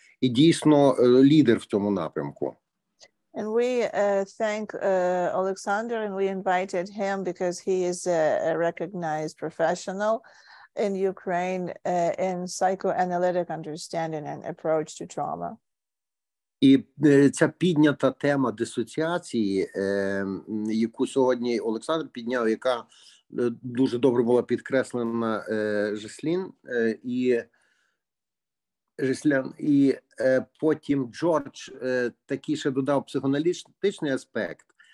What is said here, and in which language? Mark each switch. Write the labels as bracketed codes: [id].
[uk] І дійсно лідер в цьому напрямку. [en] And we thank Oleksandr and we invited him because he is a recognized professional in Ukraine in psychoanalytic understanding and approach to trauma. [uk] І ця піднята тема дисоціації, яку сьогодні Олександр підняв, яка дуже добре була підкреслена Ghislaine і Жислян, і потім Джордж такий ще додав психоаналітичний аспект.